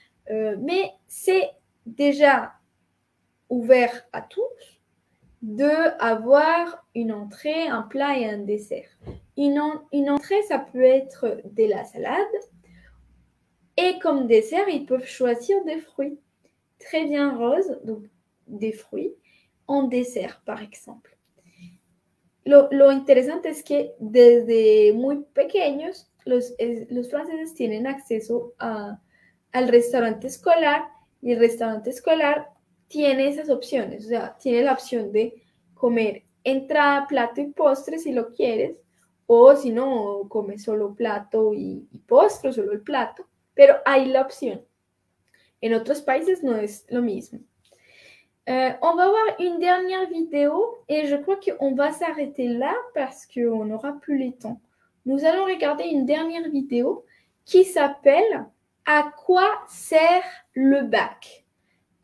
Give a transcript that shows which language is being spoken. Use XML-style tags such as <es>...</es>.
<fr>Mais c'est déjà ouvert à tous d'avoir une entrée, un plat et un dessert. Une entrée, ça peut être de la salade et comme dessert, ils peuvent choisir des fruits. Très bien, Rose, donc des fruits. En dessert, par exemple.</fr> <es>Lo interesante es que desde muy pequeños los franceses tienen acceso al restaurante escolar y el restaurante escolar tiene esas opciones, o sea, tiene la opción de comer entrada, plato y postre si lo quieres, o si no, come solo plato y postre, solo el plato, pero hay la opción. En otros países no es lo mismo.</es> <fr>On va voir une dernière vidéo et je crois qu'on va s'arrêter là parce qu'on n'aura plus le temps. Nous allons regarder une dernière vidéo qui s'appelle « À quoi sert le bac ?»</fr>